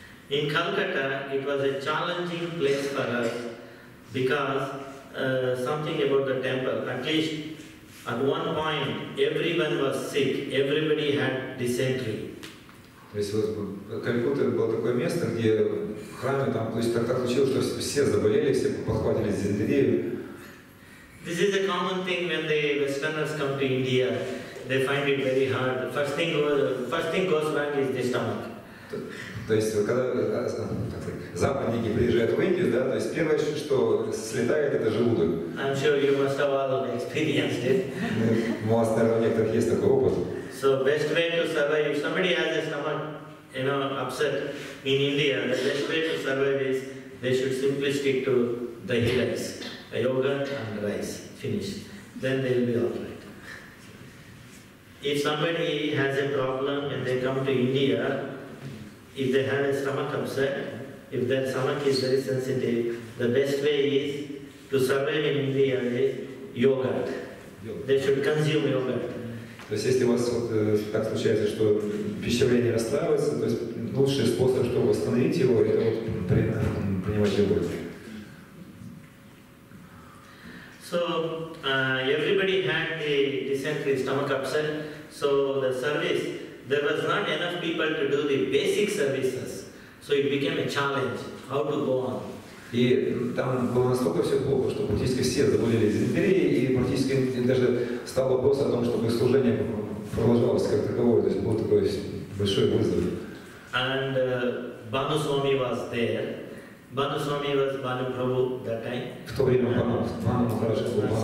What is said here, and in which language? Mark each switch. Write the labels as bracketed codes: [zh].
[en] In Calcutta, it was a challenging place for us because something about the temple, at least at one point, everyone was sick, everybody had dysentery. [ru] То есть вот Калькутта было такое место, где в храме там, то есть так случилось, что все заболели, все похватили дизентерию. [en] This is a common thing when the Westerners come to India. They find it very hard. First thing goes back is the stomach. [ru] То есть, когда западники приезжают в Индию, да, то есть первое, что слетает, это желудок. [en] I'm sure you must have all experienced it. [ru] У вас, наверное, у некоторых есть такой опыт. [en] So, best way to survive, if somebody has a stomach, you know, upset in India, the best way to survive is they should simply stick to the dahi rice. yogurt and rice, finish. Then they will be all right. If somebody has a problem and they come to India, if they have a stomach upset, if their stomach is very sensitive, the best way is to survive in India is yogurt. They should consume yogurt. [ru] То есть если у вас вот, так случается, что пищеварение расстраивается, то есть лучший способ, чтобы восстановить его, это вот принимать йогурт. [en] So everybody had the dysentery stomach upset. So the service, there was not enough people to do the basic services. So it became a challenge. How to go on? [ru] И там было настолько все плохо, что практически все заболели дизентерией, и практически даже стал вопрос о том, чтобы служение продолжалось как таковое, то есть был такой большой вызов. [en] And Bhanu Swami was there. Bhanu Swami was Bhanu Prabhu that time. [ru] В то время Бхану Махарадж был Бхану.